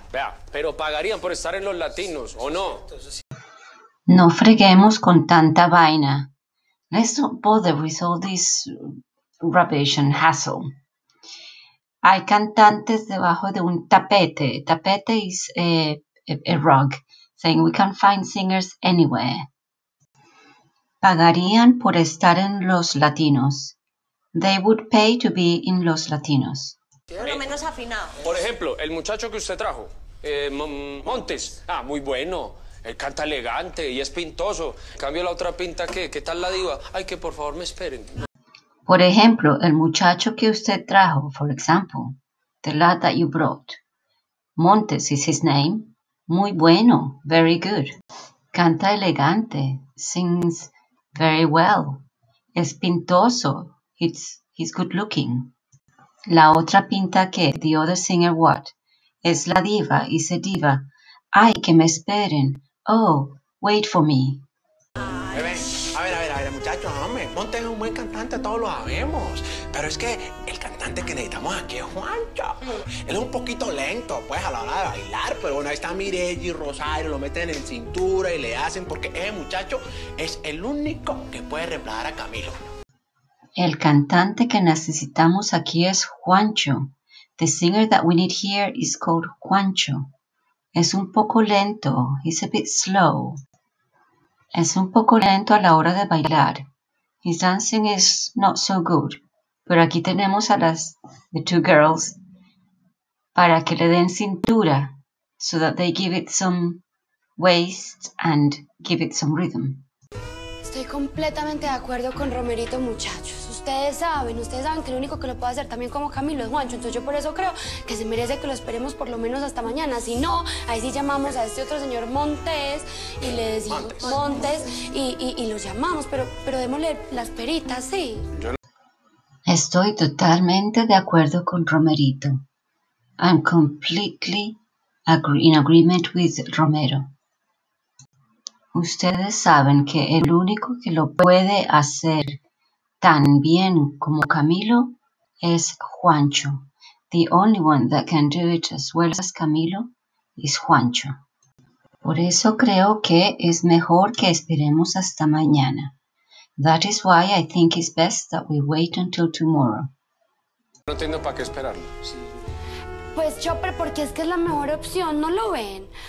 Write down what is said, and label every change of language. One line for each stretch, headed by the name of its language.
Spanish: Vea, pero pagarían por estar en los latinos, ¿o no? No freguemos con tanta vaina.
English: Let's not bother with all this rubbish and hassle.
Spanish: Hay cantantes debajo de un tapete.
English: Tapete is a rug, saying we can't find singers anywhere.
Spanish: Pagarían por estar en los latinos.
English: They would pay to be in los latinos.
Spanish: Por lo menos afinado. Por ejemplo, el muchacho que usted trajo, Montes. Ah, muy bueno. Él canta elegante y es pintoso. Cambio la otra pinta, ¿qué? ¿Qué tal la diva? Ay, que por favor me esperen. Por ejemplo, el muchacho que usted trajo,
English: for example, the lad that you brought. Montes is his name.
Spanish: Muy bueno.
English: Very good.
Spanish: Canta elegante.
English: Sings very well.
Spanish: Es pintoso.
English: He's good looking.
Spanish: La otra pinta que,
English: the other singer what?
Spanish: Es la diva.
English: Is a diva.
Spanish: Ay, que me esperen.
English: Oh, wait for me.
Spanish: Bebé, a ver, muchacho, hombre. Montes es un buen cantante, todos lo sabemos. Pero es que el cantante que necesitamos aquí es Juancho. Él es un poquito lento, pues, a la hora de bailar. Pero bueno, ahí está Mireille y Rosario, lo meten en cintura y le hacen porque ese muchacho es el único que puede reemplazar a Camilo. El cantante que necesitamos aquí es Juancho.
English: The singer that we need here is called Juancho.
Spanish: Es un poco lento.
English: He's a bit slow.
Spanish: Es un poco lento a la hora de bailar.
English: His dancing is not so good.
Spanish: Pero aquí tenemos a las
English: the two girls
Spanish: para que le den cintura,
English: so that they give it some waist and give it some rhythm.
Spanish: Estoy completamente de acuerdo con Romerito, muchachos. Ustedes saben que el único que lo puede hacer también como Camilo es Juancho. Entonces yo por eso creo que se merece que lo esperemos por lo menos hasta mañana. Si no, ahí sí llamamos a este otro señor Montes y le decimos Montes. Y lo llamamos, pero démosle las peritas, ¿sí? Estoy totalmente de acuerdo con Romerito.
English: I'm completely in agreement with Romero.
Spanish: Ustedes saben que el único que lo puede hacer tan bien como Camilo es Juancho.
English: The only one that can do it as well as Camilo is Juancho.
Spanish: Por eso creo que es mejor que esperemos hasta mañana.
English: That is why I think it's best that we wait until tomorrow.
Spanish: No entiendo para qué esperarlo. Sí. Pues Chopper, porque es que es la mejor opción, ¿no lo ven?